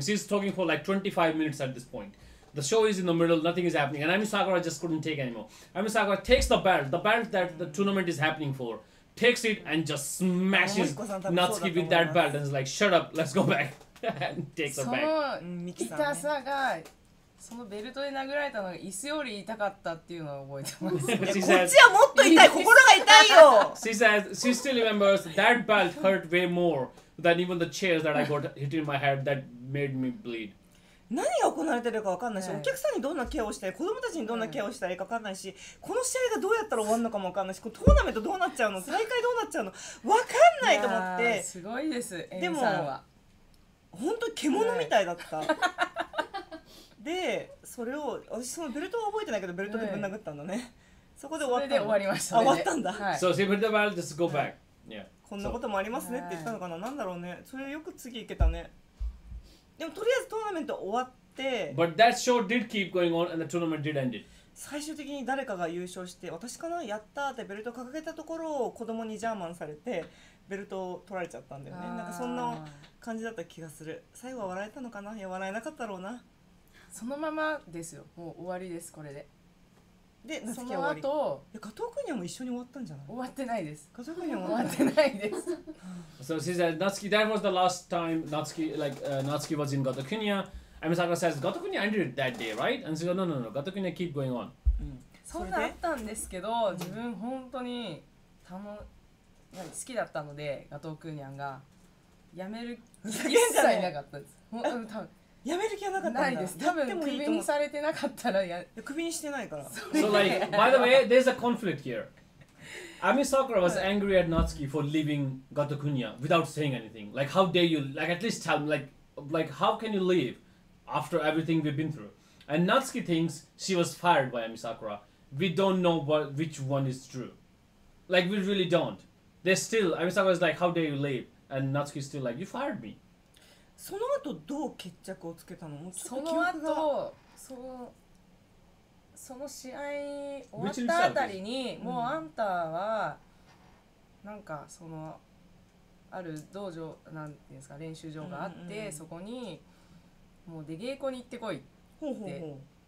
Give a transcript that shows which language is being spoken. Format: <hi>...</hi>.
<en>She's talking for like 25 minutes at this point. The show is in the middle. Nothing is happening. And Emi Sakura just couldn't take anymore. Emi Sakura takes the belt. The belt that the tournament is happening for. Takes it and just smashes Natsuki with that belt. And is like, shut up. Let's go back. And takes her back.</en> <ja>その痛さがそのベルトで殴られたのが椅子より痛かったっていうのを覚えてます。こっちはもっと痛い、心が痛いよ。</ja> <en>She says she still remembers that belt hurt way more than even the chairs that I got hit in my head that made me bleed.</en> <ja>何が行われてるか分かんないし、お客さんにどんなケアをしたい、子供たちにどんなケアをしたいか分かんないし、この試合がどうやったら終わるのかも分かんないし、このトーナメントどうなっちゃうの、大会どうなっちゃうの、分かんないと思って。すごいです。でも、さんは本当に獣みたいだった。で、それを、私そのベルトは覚えてないけど、ベルトでぶん殴ったんだね。そこで終わったの。それで終わりました。終わったんだ。そう、</ja> <en>セブルトバル、just go back. Yeah.</en> <ja>こんなこともありますねって言ったのかな、なんだろうね。それよく次行けたね。でも、とりあえずトーナメント終わって。</ja> <en>But that show did keep going on and the tournament did end it.</en> <ja>最終的に誰かが優勝して、私かな、やったーってベルト掲げたところを子供にジャーマンされて、ベルトを取られちゃったんだよね。なんかそんな感じだった気がする。最後は笑えたのかな、いや、笑えなかったろうな。そのままですよ、もう終わりです、これで。で、夏希は終わり。その後、いや、加藤くんにはもう一緒に終わったんじゃない？終わってないです。加藤くんには終わってないです。</ja> <en>So she said, Natsuki, that was the last time Natsuki, like, Natsuki was in Gotokunia. And Emi Sakura says, Gotokunia ended that day, right? And she goes, no, no, no, Gotokunia keep going on.</en> <ja>そんなあったんですけど、自分本当に好きだったので、加藤くんにゃんが辞める気一切なかったです。多分やめる気はなかったんだ。ないです。多分クビにされてなかったらやクビにしてないから。</ja> <en>So like, by the way, there's a conflict here. Emi Sakura was angry at Natsuki for leaving Gotokunia without saying anything. Like, how dare you? Like, at least tell me. Like, how can you leave after everything we've been through? And Natsuki thinks she was fired by Emi Sakura. We don't know which one is true. Like, we really don't. They're still, Emi Sakura is like, how dare you leave? And Natsuki is still like, you fired me.</en> <ja>その後どう決着をつけたの？その後、その試合終わったあたりに、もうあんたはなんかそのある道場なんていうんですか、練習場があって、うんうん、そこにもう出稽古に行ってこいって、ほうほうほう、</ja>